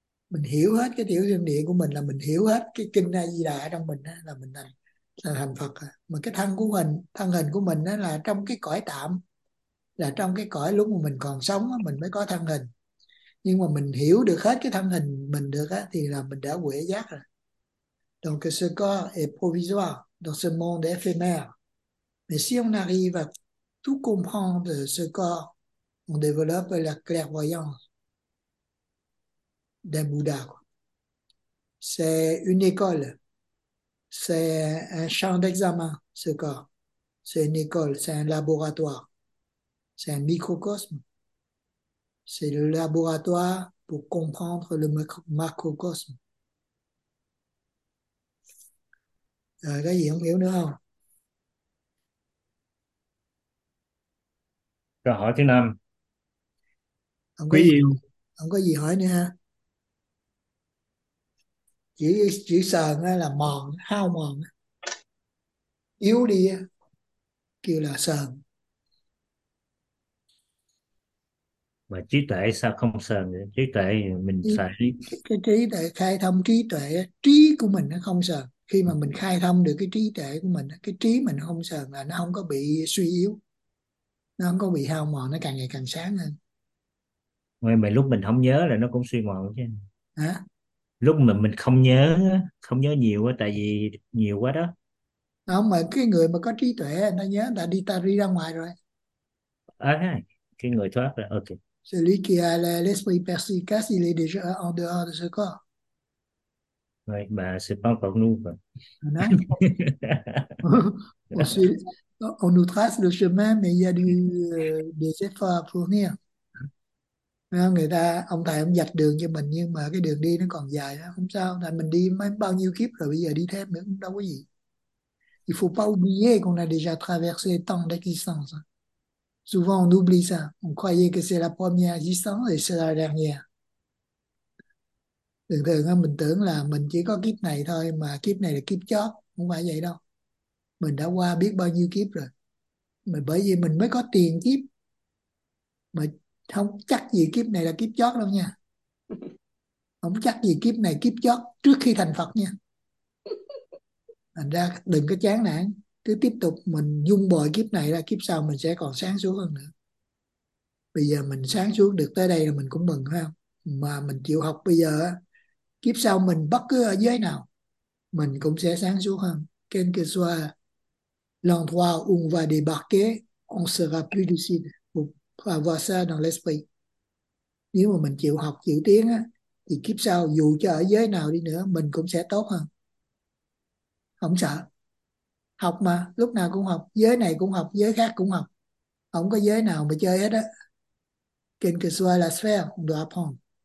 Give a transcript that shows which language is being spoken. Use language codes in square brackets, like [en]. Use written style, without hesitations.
[vi] Mình hiểu hết cái tiểu thiên địa của mình là mình hiểu hết cái kinh A Di Đà trong mình đó, là mình thành thành Phật. Mà cái thân hình của mình đó là trong cái cõi tạm, là trong cái cõi lúc mà mình còn sống đó, mình mới có thân hình. Nhưng mà mình hiểu được hết cái thân hình mình được á, thì là mình đã huệ giác rồi. [fr] Donc ce corps est provisoire dans ce monde éphémère. Mais si on arrive à tout comprendre ce corps, on développe la clairvoyance d'un Bouddha. C'est une école. C'est un champ d'examen, ce corps. C'est une école, c'est un laboratoire. C'est un microcosme. C'est le laboratoire pour comprendre le macrocosme. [vi] Rồi, cái gì không hiểu nữa không? Câu hỏi thứ năm. Không có Quý gì yêu. hỏi nữa ha. Chỉ sờn á là mòn, hao mòn, yếu đi á, kêu là sờn. Mà trí tuệ sao không sờn vậy? Trí tuệ mình Trí phải sẽ... tuệ khai thông trí tuệ, trí của mình nó không sờn. Khi mà mình khai thông được cái trí tuệ của mình, cái trí mình không sờn là nó không có bị suy yếu, nó không có bị hao mòn, nó càng ngày càng sáng hơn. Mà lúc mình không nhớ là nó cũng suy mòn chứ. Hả? Lúc mà mình không nhớ nhiều quá, tại vì nhiều quá đó. Không, mà cái người mà có trí tuệ nó nhớ đã đi, ta đi ra ngoài rồi. À, cái người thoát rồi, ok. [fr] Celui qui a l'esprit perspicace, il est déjà en dehors de ce corps. [vi] Rồi, bà sẽ bắt cậu luôn rồi. [fr] Non. On suit, on nous trace le chemin, mais il y a des efforts à fournir. [vi] Không, người ta, ông thầy ông vạch đường cho mình, nhưng mà cái đường đi nó còn dài đó. Không sao, tại mình đi mấy bao nhiêu kiếp rồi, bây giờ đi thêm nữa cũng đâu có gì. [fr] Il ne faut pas oublier qu'on a déjà traversé tant d'existences. Souvent, on oublie ça. On croyait que c'est la première existence et c'est la dernière. [vi] Thường thường mình tưởng là mình chỉ có kiếp này thôi, mà kiếp này là kiếp chót. Không phải vậy đâu. Mình đã qua biết bao nhiêu kiếp rồi. Mà bởi vì mình mới có tiền kiếp. Mà không chắc gì kiếp này là kiếp chót đâu nha. Không chắc gì kiếp này kiếp chót trước khi thành Phật nha. Thành ra đừng có chán nản, cứ tiếp tục mình dung bồi kiếp này ra, kiếp sau mình sẽ còn sáng suốt hơn nữa. Bây giờ mình sáng suốt được tới đây là mình cũng mừng, phải không? Mà mình chịu học bây giờ, kiếp sau mình bất cứ ở giới nào mình cũng sẽ sáng suốt hơn. [fr] Quel que soit l'endroit où on va débarquer, on sera plus lucide. Faut avoir ça dans l'esprit. [vi] Nếu mà mình chịu học, chịu tiến á, thì kiếp sau dù cho ở giới nào đi nữa, mình cũng sẽ tốt hơn. Không sợ. học mà lúc nào cũng học, giới này cũng học, giới khác cũng học, không có giới nào mà chơi hết á. Kinh kỳ xoay là sphere, không được không?